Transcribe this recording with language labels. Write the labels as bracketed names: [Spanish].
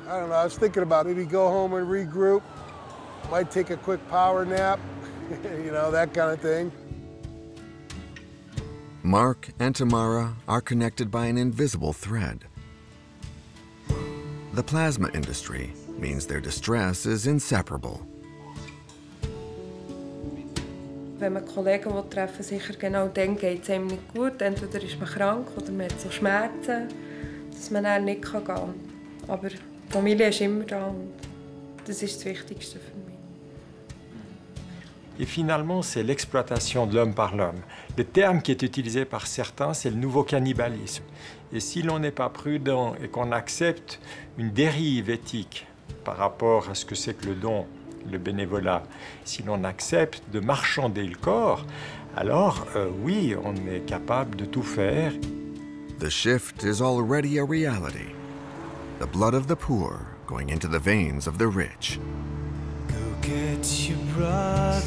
[English] I don't know. I was thinking about maybe go home and regroup. Might take a quick power nap. You know, that kind of thing. Mark and Tamara are connected by an invisible thread. The plasma industry means their distress is inseparable. [German] Wenn man Kollegen will treffen, sicher genau dann geht's einem nicht gut. Entweder ist man krank oder man hat so Schmerzen, dass man dann nicht gehen kann. Aber die Familie ist immer da und das ist das Wichtigste für mich. [French] Et finalement, c'est l'exploitation de l'homme par l'homme. Le terme qui est utilisé par certains, c'est le nouveau cannibalisme. Et si l'on n'est pas prudent et qu'on accepte une dérive éthique par rapport à ce que c'est que le don, le bénévolat, si l'on accepte de marchander le corps, alors oui, on est capable de tout faire. [English] The shift is already a reality. The blood of the poor going into the veins of the rich. Go get your brother.